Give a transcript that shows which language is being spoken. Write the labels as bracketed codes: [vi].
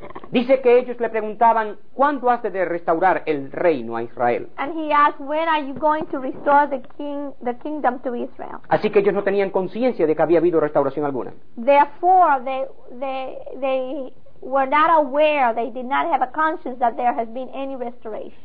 [es] Dice que ellos le preguntaban, ¿cuándo has de restaurar el reino a Israel? [en] And he asked, when are you going to restore the kingdom to Israel? [es] Así que ellos no tenían conciencia de que había habido restauración alguna. [en] Therefore they were not aware, they did not have a conscience that there has been any restoration.